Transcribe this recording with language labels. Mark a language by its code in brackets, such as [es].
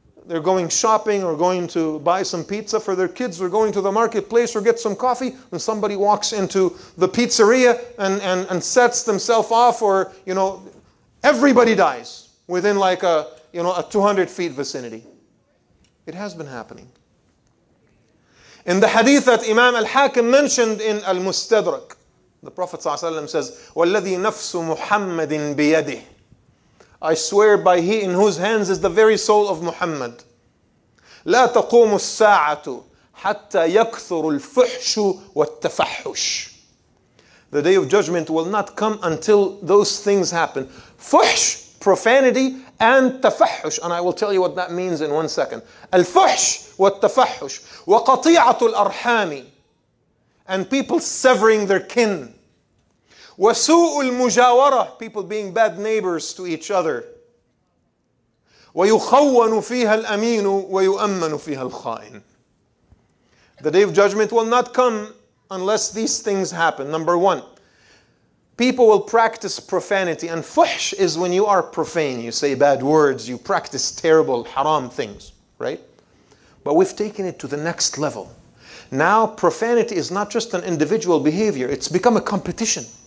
[en] they're going shopping or going to buy some pizza for their kids or going to the marketplace or get some coffee, and somebody walks into the pizzeria and sets themselves off, or, you know, everybody dies within like a, you know, a 200 feet vicinity. It has been happening. In the hadith that Imam Al-Hakim mentioned in Al-Mustadrak, the Prophet ﷺ says, [ar] وَالَّذِي نَفْسُ مُحَمَّدٍ بِيَدِهِ, [en] I swear by he in whose hands is the very soul of Muhammad. [ar] لا تقوم الساعة حتى يكثر الفحش والتفحش. [en] The day of judgment will not come until those things happen. فحش, profanity, and تفحش. And I will tell you what that means in one second. [ar] الفحش والتفحش وقطيعة الأرحام, [en] and people severing their kin. [ar] وسوء المجاورة, [en] people being bad neighbors to each other. [ar] ويخون فيها الأمين ويؤمن فيها الخائن. [en] The day of judgment will not come unless these things happen. Number one, people will practice profanity, and fuhsh is when you are profane, you say bad words, you practice terrible haram things, right? But we've taken it to the next level. Now profanity is not just an individual behavior, it's become a competition.